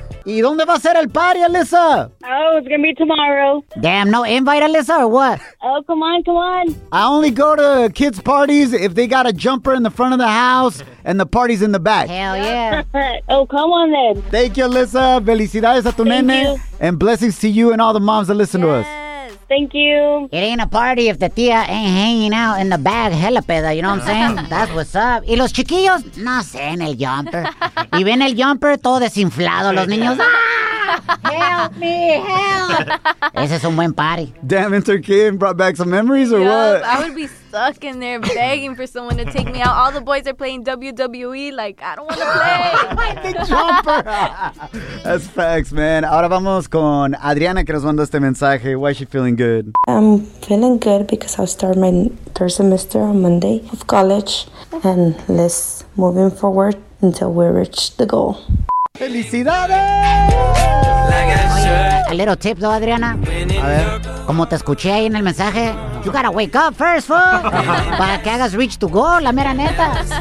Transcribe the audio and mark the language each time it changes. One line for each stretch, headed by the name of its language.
Spanish: ¿Y dónde va a ser el party, Alyssa?
English: Oh, it's gonna be tomorrow. Damn, no invite, Alyssa, or what? Oh, come on, come on. I only go to kids' parties if they got a jumper in the front of the house and the party's in the back. Hell yeah. Oh, come on then. Thank you, Alyssa.
Spanish: Felicidades a tu nene.
English: And blessings to you and all the moms that listen to us. Thank you. It ain't a party if the tia ain't hanging out in the bag, hella peda, you know what I'm saying? That's what's up.
Spanish: Y los chiquillos, no sé, en el jumper. Y ven el jumper todo desinflado, los niños, ¡ah!
English: Help me, help.
Spanish: Ese es un buen party.
English: Damn, Inter Kim brought back some memories or what? I would be stuck in there begging for someone to take me out. All the boys are playing WWE, like, I don't want to play. The jumper. That's facts, man.
Spanish: Ahora vamos con Adriana, que nos mandó este mensaje.
English: Why is she feeling good? I'm feeling good because I'll start my third semester on Monday of college. And let's move forward until we reach the goal.
Spanish: ¡Felicidades!
English: Oye, a little tip, though, Adriana.
Spanish: A ver. Como te escuché ahí en el mensaje,
English: you gotta wake up first, fool.
Spanish: Para que hagas
English: reach to goal,
Spanish: la mera neta.